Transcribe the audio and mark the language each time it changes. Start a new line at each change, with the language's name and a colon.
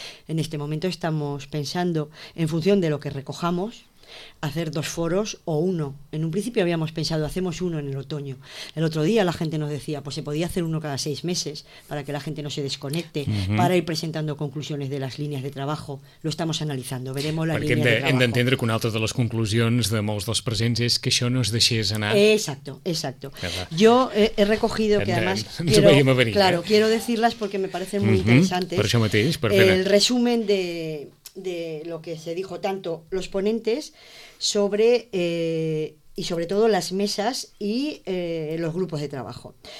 Spanish: En este momento estamos pensando, en función de lo que recojamos, hacer dos foros o uno. En un principio habíamos pensado, hacemos uno en el otoño. El otro día la gente nos decía, pues se podía hacer uno cada 6 meses para que la gente no se desconecte, para ir presentando conclusiones de las líneas de trabajo. Lo estamos analizando, veremos la línea de trabajo.
Catalan: Hem d'entendre que una altra de les conclusions de molts dels presents és que això no es deixés anar.
Spanish: Exacto, exacto. Yo he recogido que además quiero decirlas porque me parecen muy interesantes.
Catalan: Per això mateix, per
Spanish: el resumen de lo que se dijo tanto los ponentes sobre y sobre todo las mesas y los grupos de trabajo.